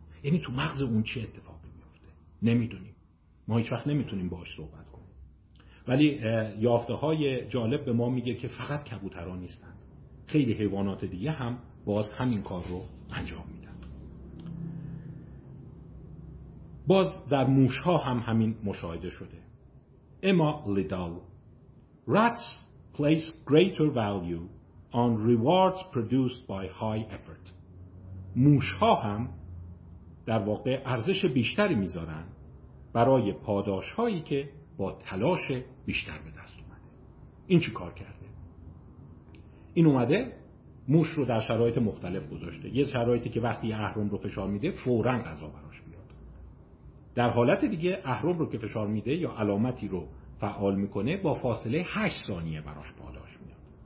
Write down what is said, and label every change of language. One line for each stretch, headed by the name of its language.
Persian: یعنی تو مغز اون چه اتفاقی میفته نمیدونیم، ما هیچ وقت نمیتونیم باهاش صحبت کنیم، ولی یافته های جالب به ما میگه که فقط کبوترها نیستن، خیلی حیوانات دیگه هم باز همین کار رو انجام میدن. باز در موش ها هم همین مشاهده شده. اما
English: لیدال: Rats place greater value on rewards produced by high effort.
Persian: موش ها هم در واقع ارزش بیشتری میذارن برای پاداش هایی که با تلاش بیشتر به دست اومده. این چی کار کرده؟ این اومده موش رو در شرایط مختلف گذاشته، یه شرایطی که وقتی اهرم رو فشار میده فوراً غذا براش میاد، در حالت دیگه اهرم رو که فشار میده یا علامتی رو فعال میکنه با فاصله 8 ثانیه براش پاداش میاد.